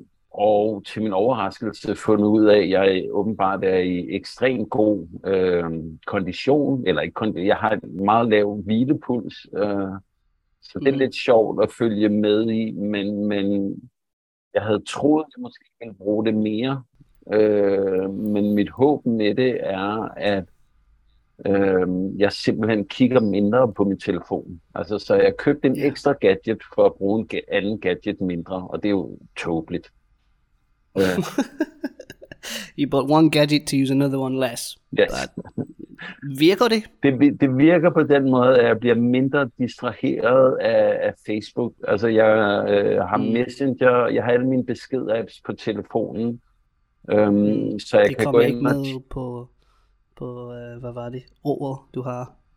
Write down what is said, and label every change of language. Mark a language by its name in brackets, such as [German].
[Danish] Og til min overraskelse fundet ud af, at jeg åbenbart er i ekstrem god kondition, eller ikke kondition, jeg har et meget lav hvilepuls, så det er lidt sjovt at følge med i, men jeg havde troet, at jeg måske ville bruge det mere, men mit håb med det er, at jeg simpelthen kigger mindre på min telefon. Altså, så jeg købte en ekstra gadget for at bruge en anden gadget mindre, og det er jo tåbeligt. [English] Yeah. You bought one gadget to use another one less. Yes. [Danish] Virker det? Det virker på den måde, at jeg bliver mindre distraheret af Facebook. Altså, jeg har Messenger, jeg har alle mine besked-apps på telefonen, så jeg det kan gå ind med på hvad var det? Over du har.